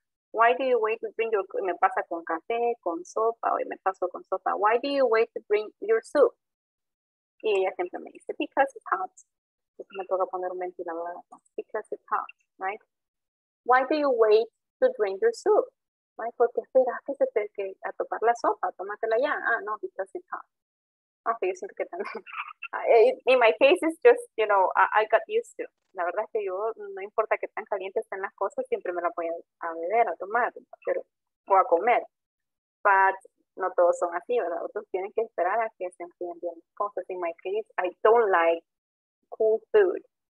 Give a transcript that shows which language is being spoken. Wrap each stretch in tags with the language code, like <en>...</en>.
<en>Why do you wait to drink your coffee?</en> <es>Me pasa con café, con sopa, hoy me paso con sopa.</es> <en>Why do you wait to drink your soup?</en> <es>Y ella siempre me dice,</es> <en>because it's hot.</en> <es>Me toca poner un ventilador.</es> <en>Because it's hot, right? Why do you wait to drink your soup?</en> <es>¿Por qué esperaste que te que a tomar la sopa? Tómatela ya. Ah, no,</es> <en>because it's hot.</en> <es>Ok, yo siento que también.</es> <en>In my case, it's just, you know, I got used to.</en> <es>La verdad es que yo, no importa que tan caliente estén las cosas, siempre me la voy a beber, a tomar, pero, o a comer.</es> <en>But</en> <es>no todos son así, ¿verdad? Otros tienen que esperar a que se enfríen bien las cosas.</es> <en>In my case, I don't like cool food.</en>